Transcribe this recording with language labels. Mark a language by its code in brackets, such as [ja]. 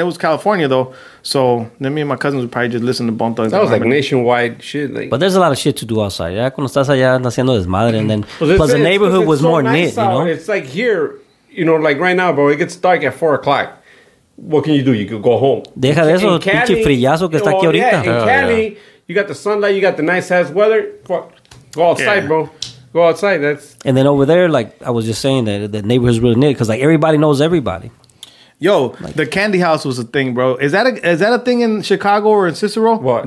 [en] It was California though, so then me and my cousins would probably just listen to Bone Thugs. That was like nationwide shit. Like. But there's a lot of shit to do outside. Yeah, [es] cuando estás allá haciendo desmadre, [en] and then plus the neighborhood was more knit. You know, it's like here, you know, like right now, bro. It gets dark at 4 o'clock. What can you do? You could go home. [es] Deja de eso, Cali, pinche frillazo que está aquí ahorita. [en] Yeah, in Cali, you got the sunlight, you got the nice ass weather. Go outside, bro. Go outside. And then over there, like I was just saying, that the neighborhood is really neat because like everybody knows everybody. Yo, like, the candy house was a thing, bro. Is that a thing in Chicago or in Cicero? What?